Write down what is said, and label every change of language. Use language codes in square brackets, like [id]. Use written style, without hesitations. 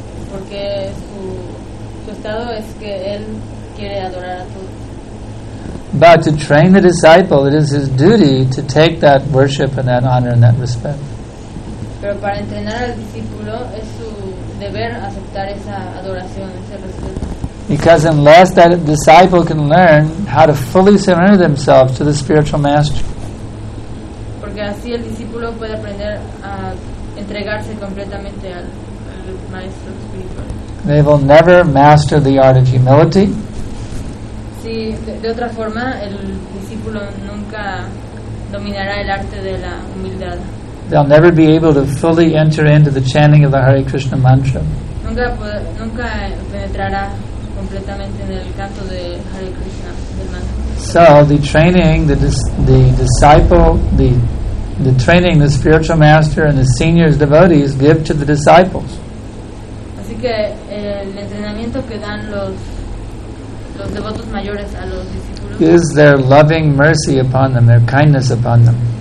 [es] Porque su estado es que él quiere adorar a todos. [en] But to train the disciple, it is his duty to take that worship and that honor and that respect. [es] Pero para entrenar al discípulo es su deber aceptar esa adoración, ese respeto. [en] Because unless that disciple can learn how to fully surrender themselves to the spiritual master. [es] Porque así el discípulo puede aprender a entregarse completamente al maestro espiritual. [en] They will never master the art of humility. [es] Sí, de otra forma, el discípulo nunca dominará el arte de la humildad. [en] They'll never be able to fully enter into the chanting of the Hare Krishna mantra. [es] Nunca nunca penetrará completamente en el canto de Hare Krishna del mantra. [en] So the training, the disciple, the training the spiritual master and the senior devotees give to the disciples. [es] Así que el entrenamiento que dan los devotos mayores a los discípulos [en] is their loving mercy upon them, their kindness upon them.